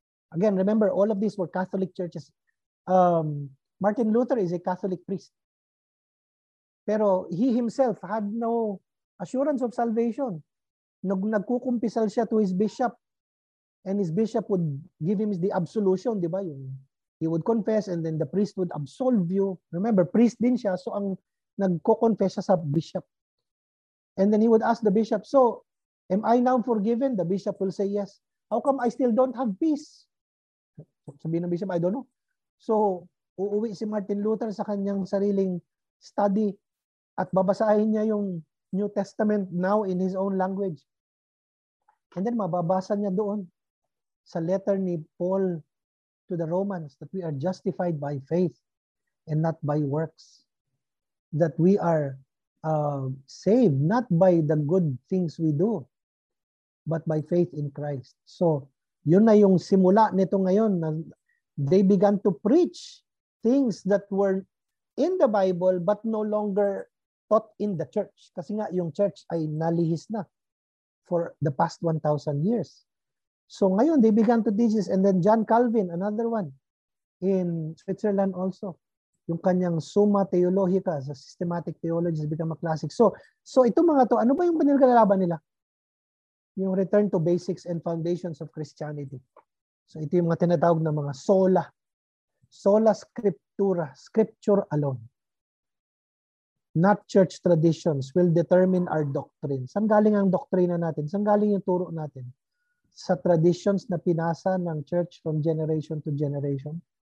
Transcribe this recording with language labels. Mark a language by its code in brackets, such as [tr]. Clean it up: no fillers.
[en] Again, remember, all of these were Catholic churches. Martin Luther is a Catholic priest. Pero he himself had no assurance of salvation. [tl] Nagkukumpisal siya [en] to his bishop and his bishop would give him the absolution, [tl] di ba? [en] He would confess and then the priest would absolve you. [tl] Remember, priest din siya, so ang nagkukonfess siya sa bishop. [en] And then he would ask the bishop, so, am I now forgiven? The bishop will say yes. How come I still don't have peace? [tl] Sabihin ng bishop, [en] I don't know. [tl] So, uuwi si Martin Luther sa kanyang sariling study at babasahin niya yung New Testament [en] now in his own language. And then [tl] mababasa niya doon sa letter ni Paul [en] to the Romans that we are justified by faith and not by works. That we are saved not by the good things we do but by faith in Christ. So, [tl] yun na yung simula nito ngayon. [en] Na they began to preach things that were in the Bible but no longer taught in the church. [tl] Kasi nga, yung church ay nalihis na [en] for the past 1,000 years. [tl] So ngayon, [en] they began to teach this. And then John Calvin, another one, in Switzerland also, [tl] yung kanyang [en] Summa Theologica, so systematic theology has become a classic. [tl] So ito mga to, ano ba yung pinagkalaban nila? [en] Yung return to basics and foundations of Christianity. [tl] So ito yung mga tinatawag na mga sola. Sola scriptura, [en] scripture alone. Not church traditions will determine our doctrine. [tl] San galing ang doktrina natin? San galing yung turo natin? Sa traditions na pinasa ng church [en] from generation to generation?